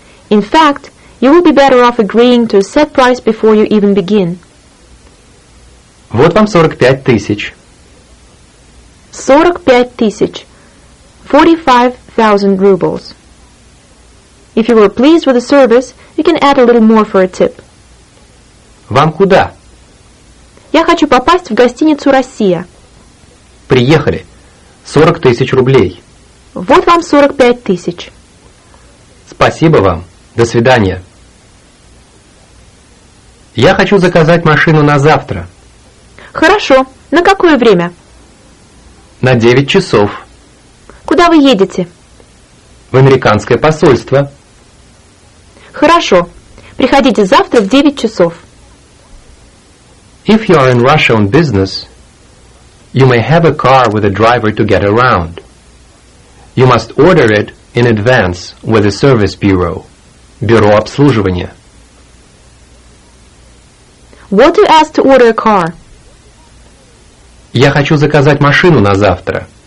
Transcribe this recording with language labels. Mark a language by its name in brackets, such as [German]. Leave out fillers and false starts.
[English] In fact, you will be better off agreeing to a set price before you even begin. [Russian] Вот вам 45 000. [English] 45 000. 45,000 rubles. If you were pleased with the service, you can add a little more for a tip. [Russian] Вам куда? Я хочу попасть в гостиницу «Россия». Приехали. 40 000 рублей. Вот вам 45 000. Спасибо вам. До свидания. Я хочу заказать машину на завтра. Хорошо. На какое время? На 9 часов. Куда вы едете? В американское посольство. Хорошо. Приходите завтра в 9 часов. [English] If you are in Russia on business, you may have a car with a driver to get around. You must order it in advance with the service bureau, Бюро обслуживания. What do you ask to order a car? [Russian] Я хочу заказать машину на завтра.